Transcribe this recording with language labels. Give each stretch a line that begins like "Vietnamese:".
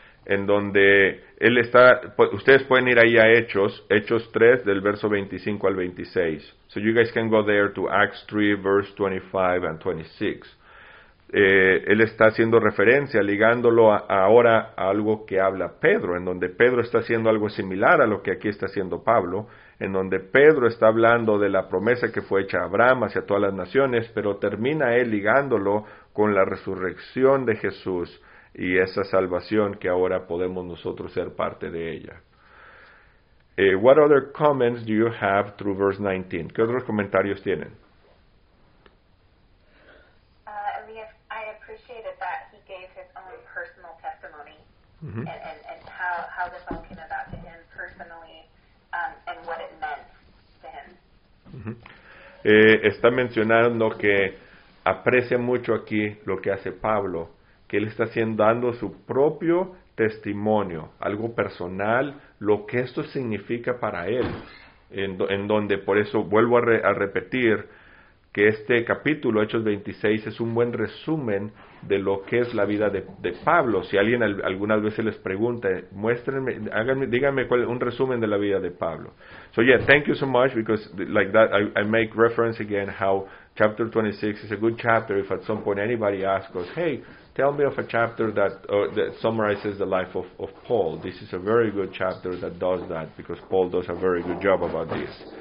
Spanish: En donde él está, ustedes pueden ir ahí a Hechos 3 del verso 25 al 26.
English: So you guys can go there to Acts 3 verse 25 and 26.
Spanish: Él está haciendo referencia, ligándolo ahora a algo que habla Pedro, en donde Pedro está haciendo algo similar a lo que aquí está haciendo Pablo, en donde Pedro está hablando de la promesa que fue hecha a Abraham hacia todas las naciones, pero termina él ligándolo con la resurrección de Jesús y esa salvación que ahora podemos nosotros ser parte de ella.
English: What other comments do you have through verse 19?
Spanish: ¿Qué otros comentarios tienen?
English: I appreciated that he gave his own personal testimony and how this all came about to him personally and what it meant to him. Mm-hmm.
Spanish: Está mencionando que aprecia mucho aquí lo que hace Pablo, que él está dando su propio testimonio, algo personal, lo que esto significa para él, en donde, por eso vuelvo a repetir, que este capítulo, Hechos 26, es un buen resumen de lo que es la vida de Pablo. Si alguien algunas veces les pregunta, muéstrenme, díganme un resumen de la vida de Pablo.
English: So yeah, thank you so much, because like that, I make reference again how chapter 26 is a good chapter if at some point anybody asks us, hey, tell me of a chapter that summarizes the life of Paul. This is a very good chapter that does that, because Paul does a very good job about this.